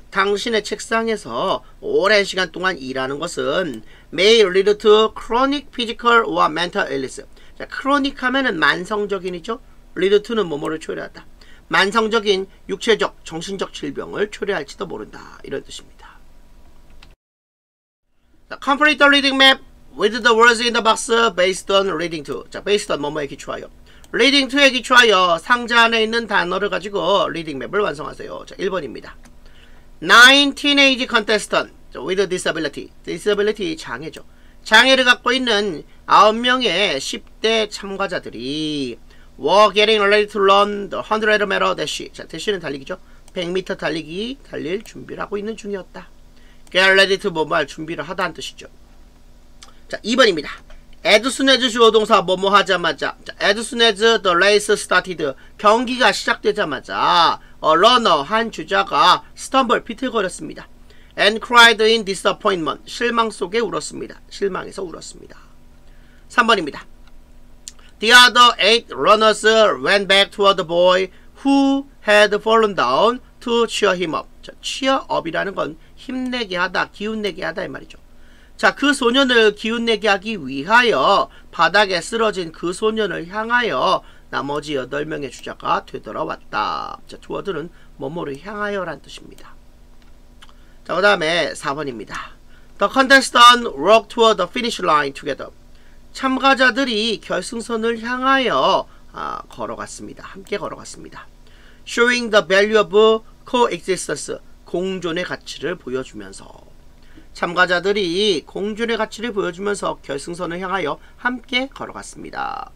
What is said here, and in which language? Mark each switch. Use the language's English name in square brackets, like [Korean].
[Korean] 당신의 책상에서 오랜 시간 동안 일하는 것은 [English] may lead to chronic physical or mental illness. [Korean] 자, chronic 하면은 만성적인이죠. lead to는 뭐뭐를 초래한다. 만성적인 육체적, 정신적 질병을 초래할지도 모른다. 이런 뜻입니다. [English] Complete the reading map with the words in the box based on reading to. [Korean] 자, based on 뭐뭐에 기초하여. Reading to에 기초하여 상자 안에 있는 단어를 가지고 reading map을 완성하세요. 자, 1번입니다. [English] 19 contestants with a disability. Disability 장애죠. [Korean] 장애를 갖고 있는 9명의 10대 참가자들이 [English] were getting ready to run the 100m dash. [Korean] 자, dash는 달리기죠. 100m 달리기 달릴 준비를 하고 있는 중이었다. get ready to 뭐뭐 할 준비를 하다는 뜻이죠. 자, 2번입니다. [English] as soon as [Korean] 주어동사 뭐뭐 하자마자. [English] 자, as soon as the race started. [Korean] 경기가 시작되자마자 [English] a runner [Korean] 한 주자가 stumble 비틀거렸습니다. [English] and cried in disappointment. [Korean] 실망 속에 울었습니다. 실망해서 울었습니다. 3번입니다. [English] The other eight runners went back toward the boy who had fallen down to cheer him up. [Korean] 자, cheer up이라는 건 힘내게 하다, 기운내게 하다 이 말이죠. 자, 그 소년을 기운내게 하기 위하여 바닥에 쓰러진 그 소년을 향하여 나머지 8명의 주자가 되돌아왔다. 자, toward는 뭐뭐를 향하여란 뜻입니다. 자, 그 다음에 4번입니다. [English] The contestants walked toward the finish line together. [Korean] 참가자들이 결승선을 향하여 걸어갔습니다. 함께 걸어갔습니다. [English] Showing the value of coexistence, [Korean] 공존의 가치를 보여주면서 참가자들이 공존의 가치를 보여주면서 결승선을 향하여 함께 걸어갔습니다.